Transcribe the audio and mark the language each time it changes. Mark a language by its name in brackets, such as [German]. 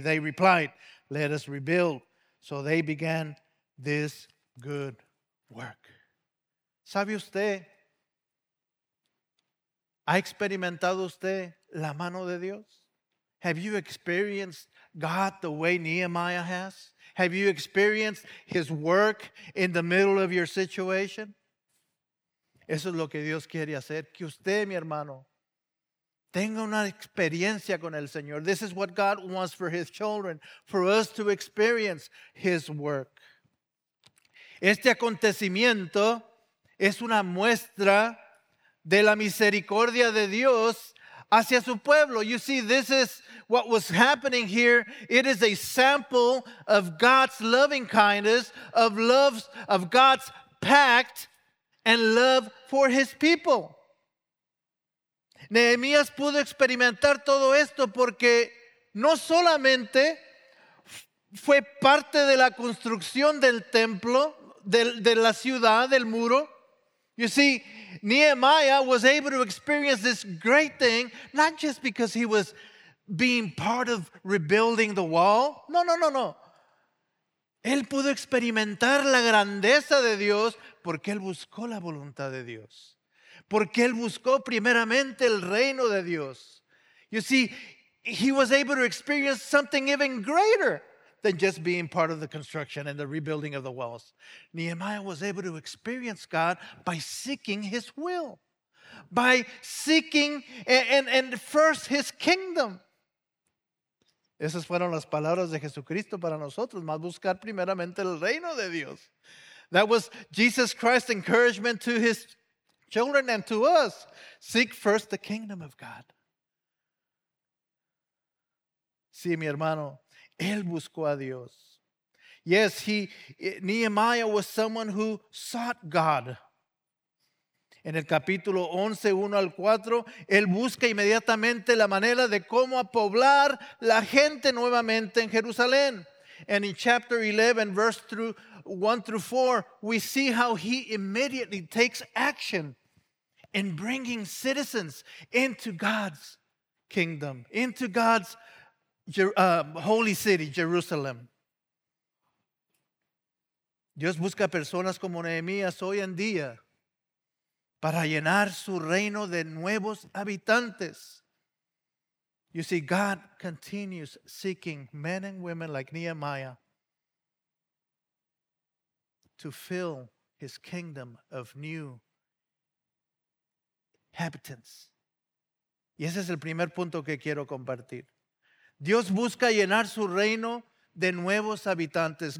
[English] They replied, let us rebuild. So they began this good work. [Spanish] ¿Sabe usted? ¿Ha experimentado usted la mano de Dios? [English] Have you experienced God the way Nehemiah has? Have you experienced his work in the middle of your situation? [Spanish] Eso es lo que Dios quiere hacer. Que usted, mi hermano, tenga una experiencia con el Señor. [English] This is what God wants for his children, for us to experience his work. [Spanish] Este acontecimiento es una muestra de la misericordia de Dios hacia su pueblo. [English] You see, this is what was happening here. It is a sample of God's loving kindness, of God's pact and love for his people. [Spanish] Nehemías pudo experimentar todo esto porque no solamente fue parte de la construcción del templo, de la ciudad, del muro. [English] You see, Nehemiah was able to experience this great thing, not just because he was being part of rebuilding the wall. [Spanish] No, no, no, no. Él pudo experimentar la grandeza de Dios porque él buscó la voluntad de Dios. Porque él buscó primeramente el reino de Dios. [English] You see, he was able to experience something even greater than just being part of the construction and the rebuilding of the walls. Nehemiah was able to experience God by seeking his will, by seeking and first his kingdom. [Spanish] Esas fueron las palabras de Jesucristo para nosotros, más buscar primeramente el reino de Dios. [English] That was Jesus Christ's encouragement to his children and to us. Seek first the kingdom of God. [Spanish] Sí, mi hermano, él buscó a Dios. [English] Yes, Nehemiah was someone who sought God. [Spanish] En el capítulo 11, 1 al 4, él busca inmediatamente la manera de cómo apoblar la gente nuevamente en Jerusalén. [English] And in chapter 11, verse 1 through 4, we see how he immediately takes action in bringing citizens into God's kingdom, into God's holy city, Jerusalem. [Spanish] Dios busca personas como Nehemías hoy en día para llenar su reino de nuevos habitantes. [English] You see, God continues seeking men and women like Nehemiah to fill his kingdom of new inhabitants. [Spanish] Y ese es el primer punto que quiero compartir. Dios busca llenar su reino de nuevos habitantes.